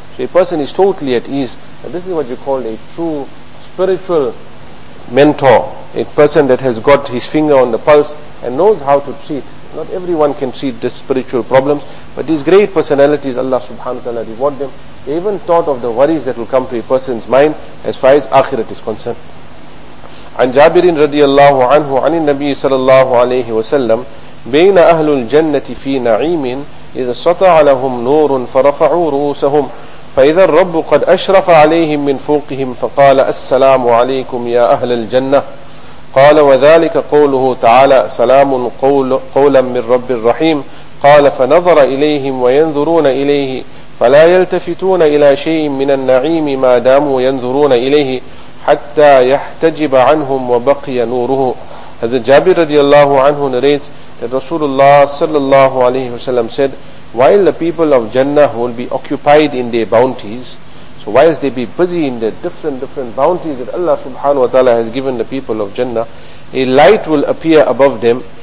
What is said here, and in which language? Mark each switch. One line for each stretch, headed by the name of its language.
English: So a person is totally at ease. And this is what you call a true spiritual mentor, a person that has got his finger on the pulse and knows how to treat. Not everyone can treat the spiritual problems, but these great personalities, Allah subhanahu wa ta'ala reward them. They even thought of the worries that will come to a person's mind as far as Akhirat is concerned.
Arabic: عن جابر رضي الله عنه عن النبي صلى الله عليه وسلم بين أهل الجنة في نعيم إذا سطع لهم نور فرفعوا رؤوسهم فإذا الرب قد أشرف عليهم من فوقهم فقال السلام عليكم يا أهل الجنة قال وذلك قوله تعالى سلام قولا من رب الرحيم قال فنظر إليهم وينظرون إليه فلا يلتفتون إلى شيء من النعيم ما داموا ينظرون إليه حتى يحتجب عنهم وبقي نوره.
English: As Jabir radiallahu anhu narrates that Rasulullah sallallahu alayhi wasallam said, while the people of Jannah will be occupied in their bounties, so whilst they be busy in the different bounties that Allah subhanahu wa ta'ala has given the people of Jannah, a light will appear above them.